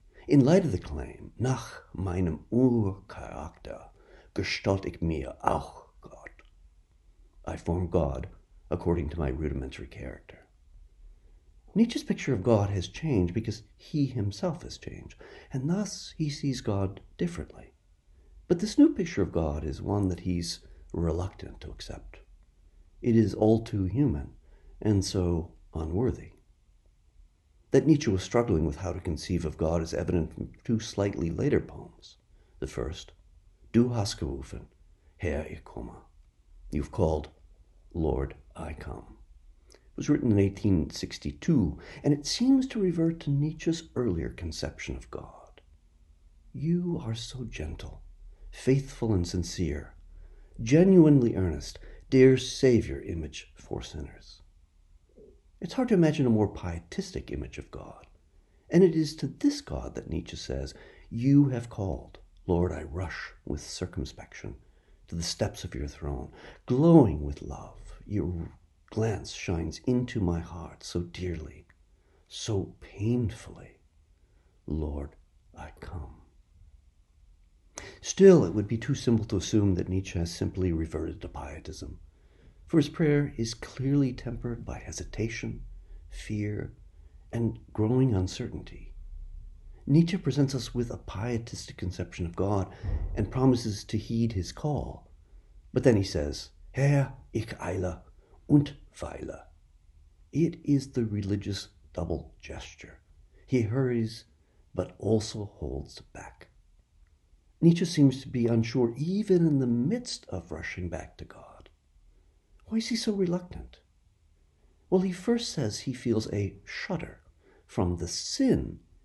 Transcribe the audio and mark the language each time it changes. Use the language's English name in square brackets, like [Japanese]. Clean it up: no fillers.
[English] In light of the claim, [German] nach meinem Urcharakter gestalte ich mir auch Gott. [English] I form God according to my rudimentary character. Nietzsche's picture of God has changed because he himself has changed, and thus he sees God differently. But this new picture of God is one that he's reluctant to accept. It is all too human, and so unworthy. That Nietzsche was struggling with how to conceive of God is evident from two slightly later poems. The first, [German] Du hast gerufen, Herr, ich komme. [English] You've called, Lord, I come. It was written in 1862, and it seems to revert to Nietzsche's earlier conception of God. You are so gentle, faithful and sincere, genuinely earnest, dear Savior image for sinners. It's hard to imagine a more pietistic image of God. And it is to this God that Nietzsche says, you have called, Lord, I rush with circumspection to the steps of your throne, glowing with love. Your glance shines into my heart so dearly, so painfully. Lord, I come. Still, it would be too simple to assume that Nietzsche has simply reverted to pietism. For his prayer is clearly tempered by hesitation, fear, and growing uncertainty. Nietzsche presents us with a pietistic conception of God and promises to heed his call. But then he says, [German] Herr, ich eile und weile. [English] It is the religious double gesture. He hurries, but also holds back. Nietzsche seems to be unsure even in the midst of rushing back to God. Why is he so reluctant? Well, he first says he feels a shudder from the sin.